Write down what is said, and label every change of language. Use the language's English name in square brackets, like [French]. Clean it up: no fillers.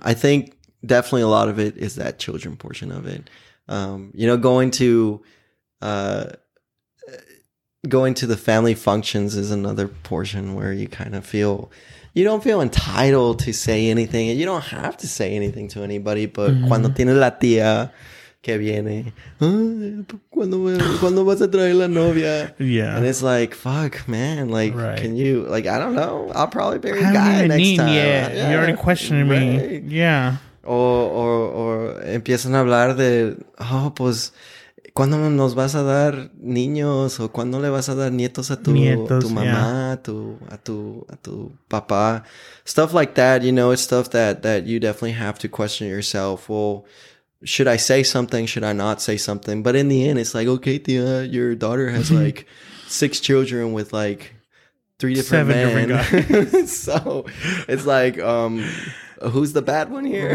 [English] I think definitely a lot of it is that children portion of it. You know, going to the family functions is another portion where you kind of feel, you don't feel entitled to say anything. You don't have to say anything to anybody, but mm-hmm. [Spanish] cuando tiene la tía que viene, cuando vas a traer la novia? [English] Yeah. And it's like, fuck, man. Like, right. Can you, like, I don't know. I'll probably bury a guy next time. Yeah. You're already questioning me. Yeah. [Spanish] Or empiezan a hablar de, oh, pues, ¿cuándo nos vas a dar niños o cuándo le vas a dar nietos a tu mamá, a tu papá? [English] Stuff like that, you know, it's stuff that you definitely have to question yourself. Well, should I say something? Should I not say something? But in the end, it's like, okay, Thea, your daughter has like six children with like three different seven Different guys. So it's like, who's the bad one here?